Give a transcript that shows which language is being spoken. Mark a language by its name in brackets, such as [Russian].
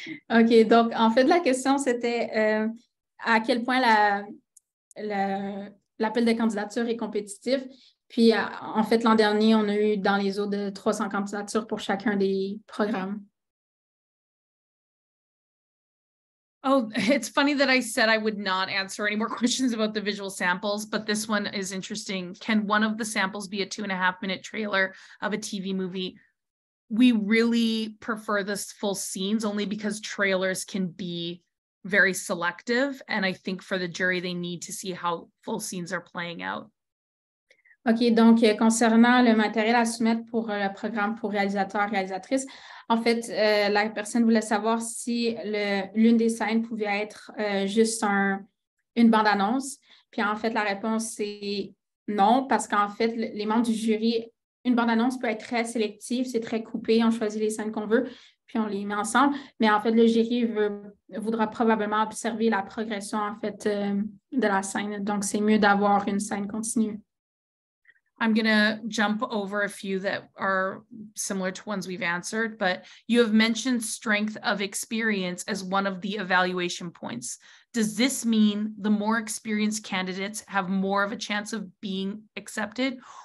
[French] OK, donc en fait, la question, c'était... à quel point l'appel de candidature est compétitif. Puis, en fait, l'an dernier, on a eu dans les eaux de 300 candidatures pour chacun des programmes. [English] Oh, it's funny that I said I would not answer any more questions about the visual samples, but this one is interesting. Can one of the samples be a 2.5-minute trailer of a TV movie? We really prefer the full scenes only because trailers can be very selective. And I think for the jury, they need to see how full scenes are playing out. [French] OK, donc concernant le matériel à soumettre pour le programme pour réalisateurs, réalisatrices, en fait, la personne voulait savoir si l'une des scènes pouvait être juste une bande-annonce. Puis en fait, la réponse, c'est non, parce qu'en fait, les membres du jury, une bande-annonce peut être très sélective, c'est très coupé, on choisit les scènes qu'on veut. Puis on les met ensemble, mais en fait, le jury voudra probablement observer la progression, en fait, de la scène. Donc, c'est mieux d'avoir une scène continue. [English] I'm going to jump over a few that are similar to ones we've answered, but you have mentioned strength of experience as one of the evaluation points. Does this mean the more experienced candidates have more of a chance of being accepted?